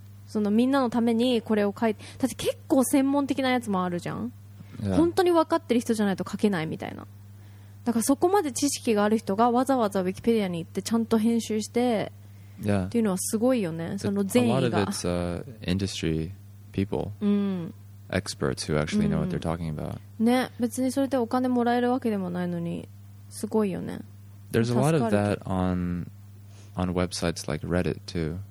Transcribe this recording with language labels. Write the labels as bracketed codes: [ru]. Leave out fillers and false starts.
[ja] そのみんなのためにこれを書いて、だって結構専門的なやつもあるじゃん。 [en] Yeah. [ja] 本当に分かってる人じゃないと書けないみたいな。だからそこまで知識がある人がわざわざウィキペディアに行ってちゃんと編集して、 [en] yeah. [ja] っていうのはすごいよね。その善意が。 [en] A lot of it's industry people. [ja] うん。 [en] Experts who actually know what they're talking about. [ja] ね、別にそれでお金もらえるわけでもないのに、すごいよね。 [en] There's a lot of that on websites like Reddit too.